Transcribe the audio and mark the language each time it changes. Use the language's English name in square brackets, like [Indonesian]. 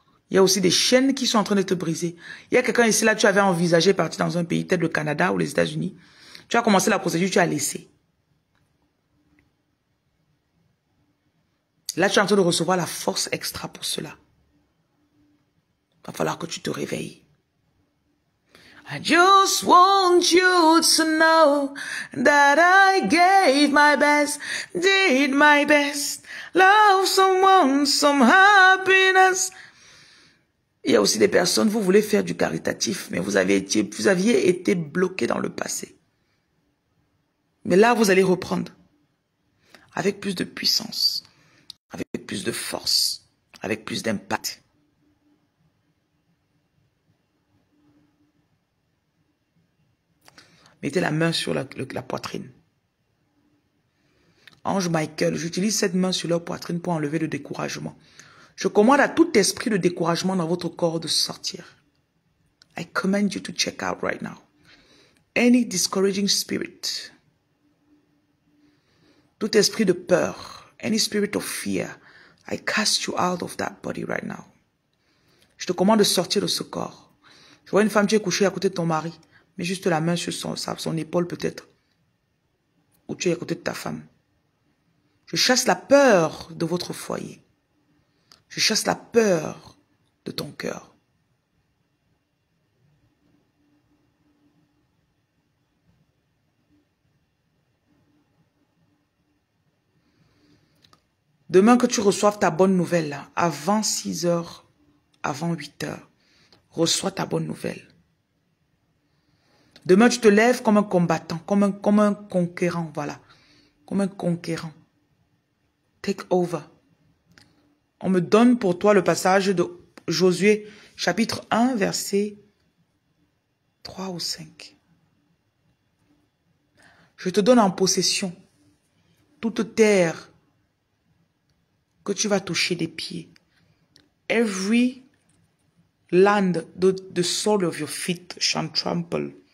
[French] Il y a aussi des chaînes qui sont en train de te briser. Il y a quelqu'un ici, là, tu avais envisagé partir dans un pays, peut-être le Canada ou les États-Unis. Tu as commencé la procédure, tu as laissé. Là, tu es en train de recevoir la force extra pour cela. Il va falloir que tu te réveilles. [English] I just want you to know that I gave my best, did my best, love someone, some happiness. [French] Il y a aussi des personnes, vous voulez faire du caritatif, mais vous aviez été bloqué dans le passé. Mais là, vous allez reprendre avec plus de puissance, avec plus de force, avec plus d'impact. Mettez la main sur la poitrine. Ange Michael, j'utilise cette main sur leur poitrine pour enlever le découragement. Je commande à tout esprit de découragement dans votre corps de sortir. [English] I command you to check out right now. Any discouraging spirit. [French] Tout esprit de peur. [English] Any spirit of fear. I cast you out of that body right now. [French] Je te commande de sortir de ce corps. Je vois une femme, tu es couchée à côté de ton mari. Mets juste la main sur son épaule peut-être. Ou tu es à côté de ta femme. Je chasse la peur de votre foyer. Je chasse la peur de ton cœur. Demain que tu reçoives ta bonne nouvelle, avant 6 heures, avant 8 heures, reçois ta bonne nouvelle. Demain, tu te lèves comme un combattant, comme un conquérant, voilà. Comme un conquérant. [English] Take over. [French] On me donne pour toi le passage de Josué, chapitre 1, verset 3 ou 5. Je te donne en possession toute terre que tu vas toucher des pieds. [English] Every land the sole of your feet shall trample.